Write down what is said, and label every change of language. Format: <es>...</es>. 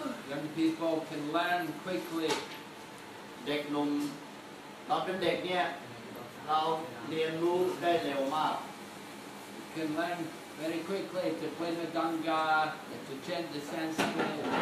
<en>Young people can learn quickly.</en> <th>เด็กหนุ่มตอนเป็นเด็กเนี่ยเราเรียนรู้ได้เร็วมาก</th> <en>Can learn very quickly to play the ganga, to chant the Sanskrit.</en>